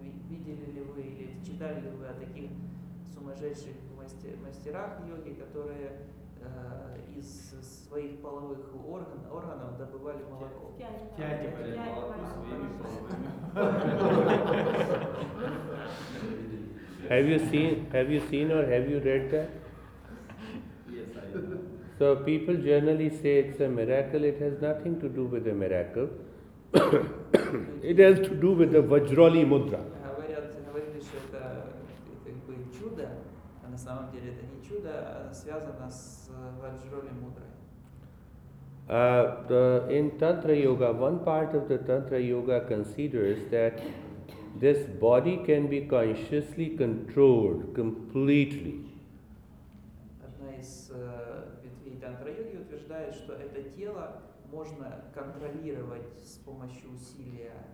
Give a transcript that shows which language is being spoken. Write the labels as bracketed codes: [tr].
[ru] Видели ли вы или читали ли вы о таких сумасшедших мастерах йоги, которые из своих половых органов добывали молоко. Втягивали молоко своими половыми. [en] Have you seen or have you read that? Yes, I have. So people generally say it's a miracle. It has nothing to do with a miracle. It has to do with the Vajrali Mudra. [ru] Говорили, что это как бы чудо. На самом деле это не чудо, а связано с Ваджролей Мудрой. [en] In Tantra Yoga, one part of the Tantra Yoga considers that this body can be consciously controlled completely. [ru] Одна из ветвей Тантра Йоги утверждает, что это тело можно контролировать с помощью усилия